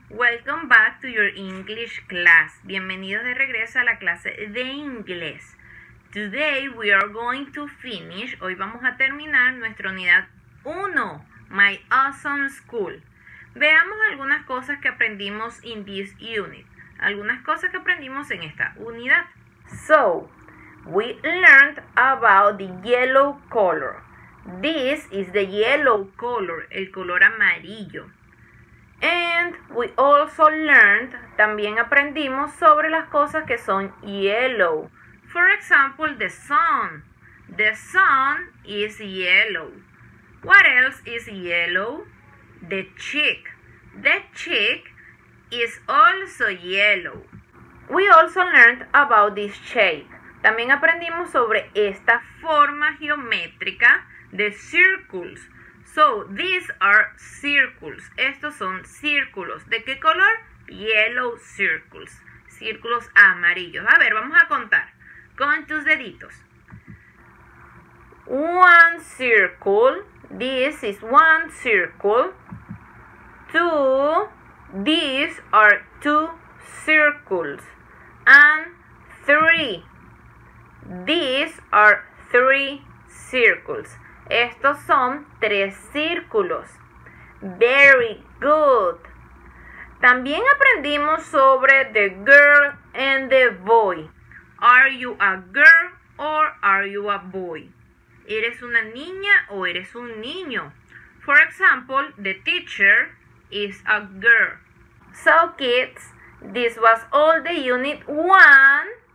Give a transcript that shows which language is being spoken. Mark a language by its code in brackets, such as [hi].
[en] Welcome back to your English class. [es] Bienvenidos de regreso a la clase de inglés. [en] Today we are going to finish. [es] Hoy vamos a terminar nuestra unidad 1, My Awesome School. Veamos algunas cosas que aprendimos [en] in this unit. [es] Algunas cosas que aprendimos en esta unidad. [en] So, we learned about the yellow color. This is the yellow color, [es] el color amarillo. [en] And we also learned, [es] también aprendimos sobre las cosas que son yellow. [en] For example, the sun. The sun is yellow. What else is yellow? The chick. The chick is also yellow. We also learned about this shape. [es] También aprendimos sobre esta forma geométrica. [en] The circles. So, these are circles. [es] Estos son círculos. ¿De qué color? [en] Yellow circles. [es] Círculos amarillos. A ver, vamos a contar. Con tus deditos. [en] One circle. This is one circle. Two. These are two circles. And three. These are three circles. [es] Estos son tres círculos. [en] Very good. [es] También aprendimos sobre [en] the girl and the boy. Are you a girl or are you a boy? [es] ¿Eres una niña o eres un niño? [en] For example, the teacher is a girl. So kids, this was all the unit 1.